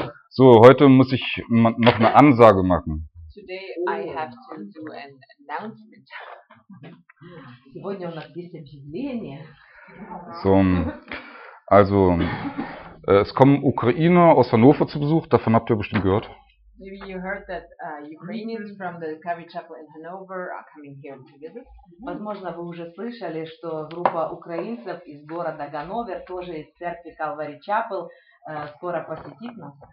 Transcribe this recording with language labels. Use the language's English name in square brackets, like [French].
[German] So, heute muss ich noch eine Ansage machen. [English] Today I have to do an announcement. [German] So, also, es kommen Ukrainer aus Hannover zu Besuch, davon habt ihr bestimmt gehört. [English] Maybe you heard that Ukrainians from the Calvary Chapel in Hannover are coming here to visit. [Russian] Возможно, вы уже слышали, что группа украинцев из города Ганновер, тоже из церкви Calvary Chapel, скоро посетит нас.